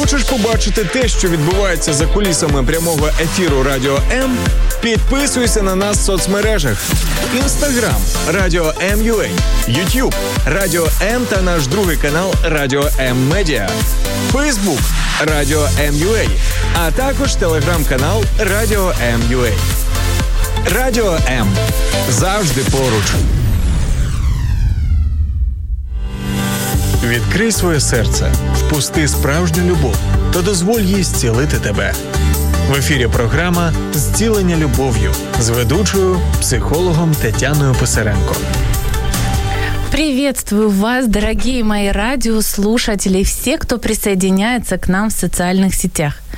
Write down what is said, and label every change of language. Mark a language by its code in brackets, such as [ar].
[uk] побачити те, що відбувається за кулісами прямого ефіру Радіо М, підписуйся на нас в соцмережах. Instagram – Радіо M.UA, YouTube – Радіо М та наш другий канал Радіо М Медіа, Facebook – Радіо M.UA, а також телеграм-канал Радіо M.UA. Радіо М – завжди поруч. Відкрий своє серце, впусти справжню любов та дозволь їй зцілити тебе. В ефірі програма «Зцілення любов'ю» з ведучою, психологом Тетяною Писаренко. [ru] Приветствую вас, дорогие мои радиослушатели и все, кто присоединяется к нам в социальных сетях.